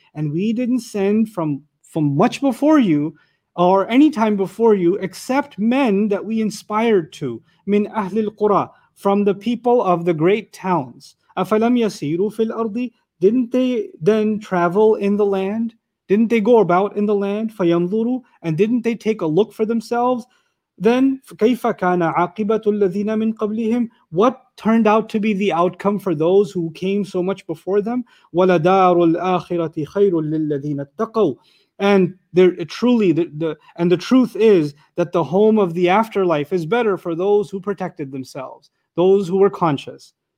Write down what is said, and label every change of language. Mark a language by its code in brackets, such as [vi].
[en] And we didn't send from much before you, or any time before you, except men that we inspired to. [ar] مِنْ أَهْلِ الْقُرَى. [en] From the people of the great towns. [ar] أَفَلَمْ يَسِيرُوا فِي الْأَرْضِ. [en] Didn't they then travel in the land? Didn't they go about in the land? [ar] فَيَنْظُرُوا. [en] And didn't they take a look for themselves? Then, [ar] كَيْفَ كَانَ عَاقِبَةُ الَّذِينَ مِنْ قَبْلِهِمْ. [en] What turned out to be the outcome for those who came so much before them? [ar] وَلَدَارُ الْآخِرَةِ خَيْرٌ لِلَّذِينَ اتَّقَوْا. [en] And the truth is that the home of the afterlife is better for those who protected themselves, those who were conscious.